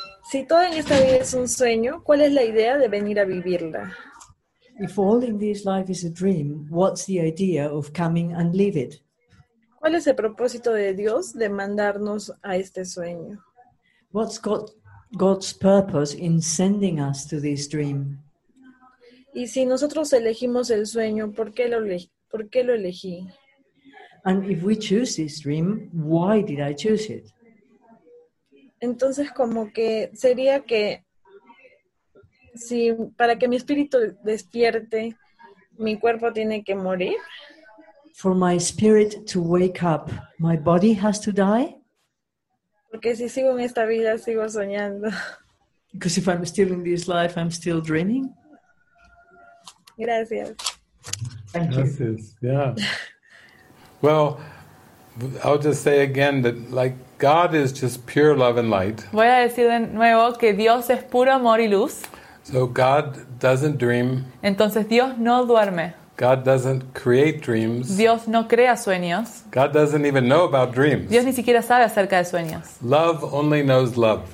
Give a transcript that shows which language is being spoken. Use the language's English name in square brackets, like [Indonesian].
[Spanish] Si todo en esta vida es un sueño, ¿cuál es la idea de venir a vivirla? [English] If all in this life is a dream, what's the idea of coming and live it? [Spanish] ¿Cuál es el propósito de Dios de mandarnos a este sueño? [English] What's God's purpose in sending us to this dream? [Spanish] Y si nosotros elegimos el sueño, ¿por qué lo elegí? [English] And if we choose this dream, why did I choose it? [Spanish] Entonces, como que sería que si para que mi espíritu despierte, mi cuerpo tiene que morir. [English] For my spirit to wake up, my body has to die. [Spanish] Porque si sigo en esta vida, sigo soñando. [English] Because if I'm still in this life, I'm still dreaming. [Spanish] Gracias. [English] Thank you. [Spanish] Gracias. [English] Yeah. Well, I'll just say again that, like, God is just pure love and light. [Spanish] Voy a decir de nuevo que Dios es puro amor y luz. [English] So God doesn't dream. [Spanish] Entonces Dios no duerme. [English] God doesn't create dreams. [Spanish] Dios no crea sueños. [English] God doesn't even know about dreams. [Spanish] Dios ni siquiera sabe acerca de sueños. [English] Love only knows love.